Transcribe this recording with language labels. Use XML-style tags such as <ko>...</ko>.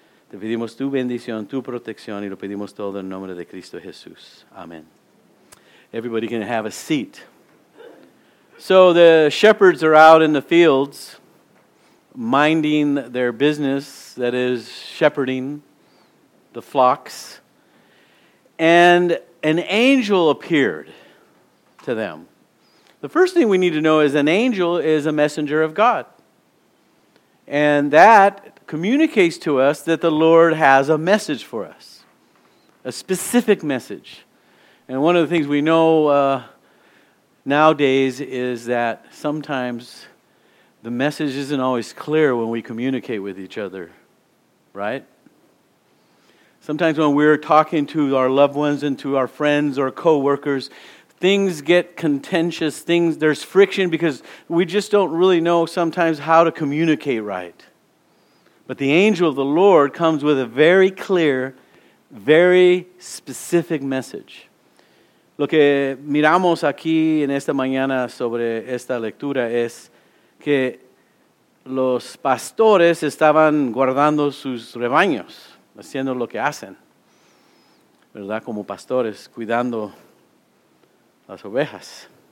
<es>Te pedimos tu bendición, tu protección, y lo pedimos todo en nombre de Cristo Jesús. Amén.</es> <en>Everybody can have a seat. So the shepherds are out in the fields, minding their business, that is, shepherding the flocks, and an angel appeared to them. The first thing we need to know is an angel is a messenger of God. And that communicates to us that the Lord has a message for us, a specific message. And one of the things we know nowadays is that sometimes the message isn't always clear when we communicate with each other, right? Sometimes when we're talking to our loved ones and to our friends or co-workers, things get contentious, there's friction because we just don't really know sometimes how to communicate right. But the angel of the Lord comes with a very clear, very specific message.</en> <es>Lo que miramos aquí en esta mañana sobre esta lectura es que los pastores estaban guardando sus rebaños, haciendo lo que hacen, ¿verdad? Como pastores, cuidando las ovejas.</es>